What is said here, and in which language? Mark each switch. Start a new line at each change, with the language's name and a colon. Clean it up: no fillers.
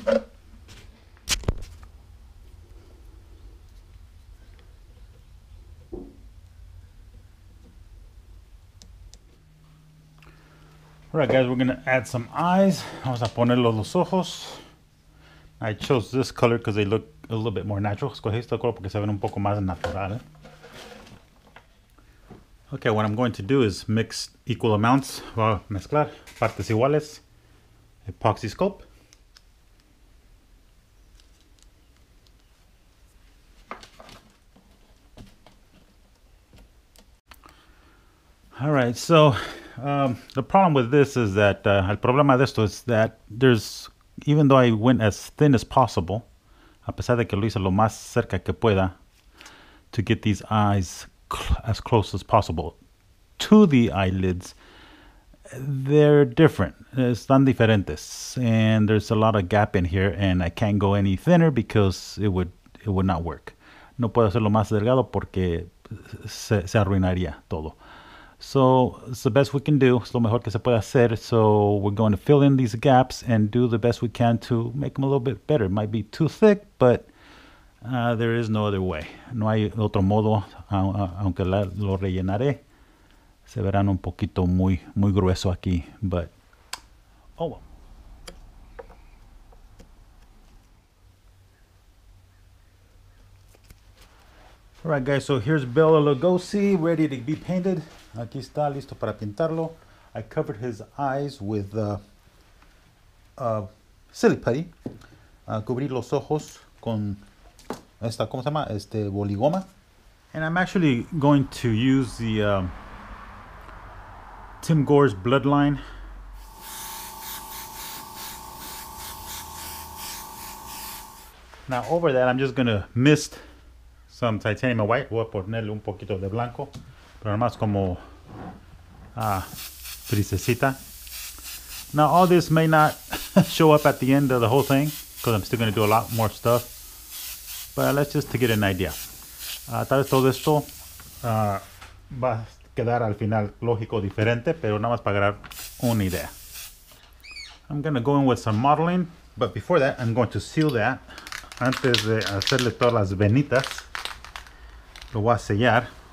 English: All right, guys, we're going to add some eyes.
Spanish: Vamos a ponerlos los ojos.
English: I chose this color because they look a little bit more natural.
Spanish: Escogí este color porque se ven un poco más natural.
English: Okay, what I'm going to do is mix equal amounts.
Spanish: Voy a mezclar partes iguales.
English: Epoxy sculpt. All right, so the problem with this is that,
Spanish: el problema de esto
English: is that there's, even though I went as thin as possible,
Spanish: a pesar de que lo hice lo más cerca que pueda,
English: to get these eyes as close as possible to the eyelids, they're different.
Spanish: Están diferentes,
English: and there's a lot of gap in here, and I can't go any thinner because it would not work.
Spanish: No puedo hacerlo más delgado porque se arruinaría todo.
English: So it's the best we can do.
Spanish: Es lo mejor que se puede hacer.
English: So we're going to fill in these gaps and do the best we can to make them a little bit better. It might be too thick, but there is no other way.
Spanish: No hay otro modo, aunque lo rellenaré. Se verán un poquito muy, muy grueso aquí,
English: but, oh well. All right, guys, so here's Bela Lugosi, ready to be painted.
Spanish: Aquí está, listo para pintarlo.
English: I covered his eyes with silly putty.
Spanish: Cubrí los ojos con esta, ¿cómo se llama? Boligoma.
English: And I'm actually going to use the Tim Gore's Bloodline. Now over that, I'm just gonna mist some titanium white.
Spanish: Voy a ponerle un poquito de blanco, pero nada más como frisecita.
English: Now all this may not show up at the end of the whole thing because I'm still gonna do a lot more stuff. But let's just to get an idea.
Spanish: Tal vez todo esto va a quedar al final lógico diferente, pero nada más para agarrar una idea.
English: I'm gonna go in with some modeling, but before that, I'm going to seal that.
Spanish: Antes de hacerle todas las venitas, lo voy a sellar.